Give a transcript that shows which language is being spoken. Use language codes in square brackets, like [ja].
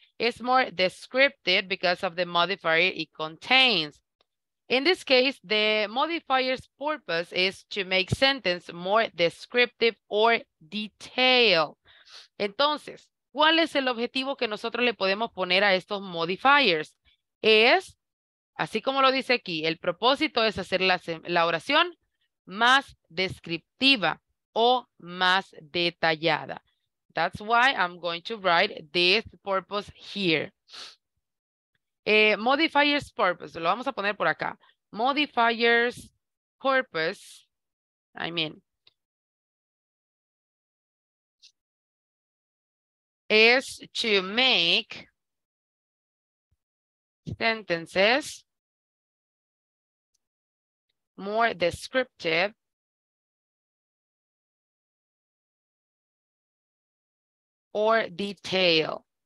[en] It's more descriptive because of the modifier it contains. In this case, the modifier's purpose is to make sentence more descriptive or detailed. [es] Entonces, ¿cuál es el objetivo que nosotros le podemos poner a estos modifiers? Es... así como lo dice aquí, el propósito es hacer la oración más descriptiva o más detallada. [en] That's why I'm going to write this purpose here. Modifier's purpose, [es] lo vamos a poner por acá. [en] Modifier's purpose, I mean, is to make sentences more descriptive or detail.